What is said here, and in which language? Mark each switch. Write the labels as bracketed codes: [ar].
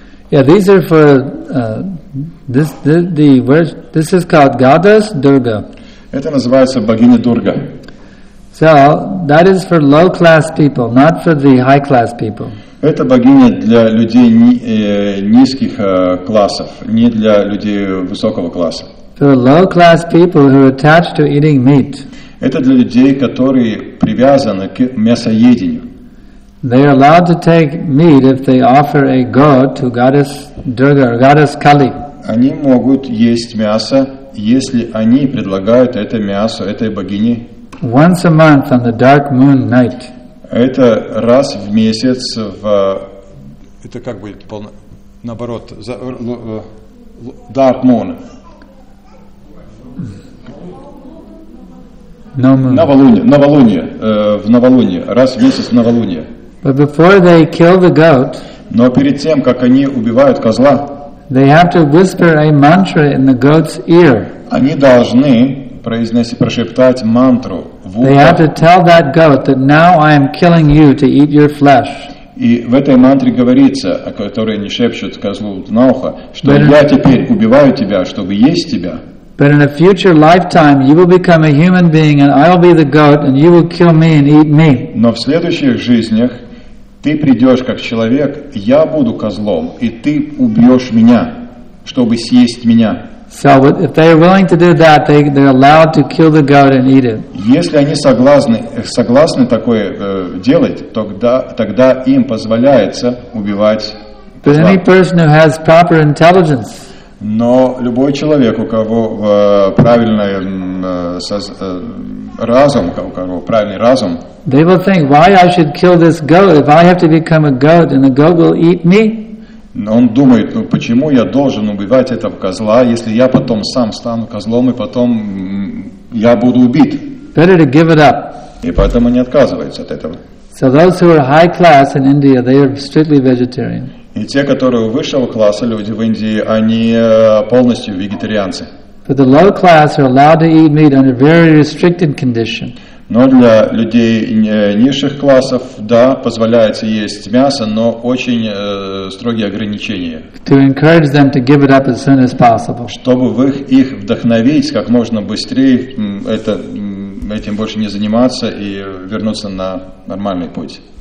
[en] Yeah, these are for this is called Goddess Durga. [ru] Это называется богиня Дурга. [en] So that is for low class people, not for the high class people. [ru] Это богиня для людей низких классов, не для людей высокого класса. [en] For low class people who are attached to eating meat. [ru] Это для людей, которые привязаны к мясоедению. [en] They are allowed to take meat if they offer a goat to Goddess Durga or Goddess Kali. [ru] Они могут есть мясо, если они предлагают это мясо этой богине. [en] Once a month on the dark moon night. [ru] Это раз в месяц в. Это как бы наоборот за [en] dark moon. [ru] Новолуние, в новолуние, раз в месяц в новолуние. [en] But before they kill the goat, [ru] но перед тем, как они убивают козла, [en] they have to whisper a mantra in the goat's ear. [ru] Они должны прошептать мантру в ухо. [en] They have to tell that goat that now I am killing you to eat your flesh. [ru] И в этой мантре говорится, о которой они шепчут козлу на ухо, что я теперь убиваю тебя, чтобы есть тебя. [en] But in a future lifetime, you will become a human being, and I will be the goat, and you will kill me and eat me. [ru] Но в следующих жизнях ты придешь как человек, я буду козлом, и ты убьешь меня, чтобы съесть меня. [en] So, if they are willing to do that, they're allowed to kill the goat and eat it. [ru] Если они согласны такое делать, тогда им позволяется убивать козла. [en] But any person who has proper intelligence. [ru] Но любой человек, у кого правильный разум, у кого правильный разум, [en] they will think, why I should kill this goat if I have to become a goat and the goat will eat me? [ru] Он думает, ну почему я должен убивать этого козла, если я потом сам стану козлом и потом я буду убит? [en] Better to give it up. [ru] И поэтому не отказывается от этого. [en] So those who are high class in India, they are strictly vegetarian. [ru] И те, которые высшего класса, люди в Индии, они полностью вегетарианцы. [en] But the low class are allowed to eat meat under very restricted condition. [ru] Но для людей низших классов, да, позволяется есть мясо, но очень строгие ограничения. [en] To encourage them to give it up as soon as possible. [ru] Чтобы их вдохновить как можно быстрее этим больше не заниматься и вернуться на нормальный путь.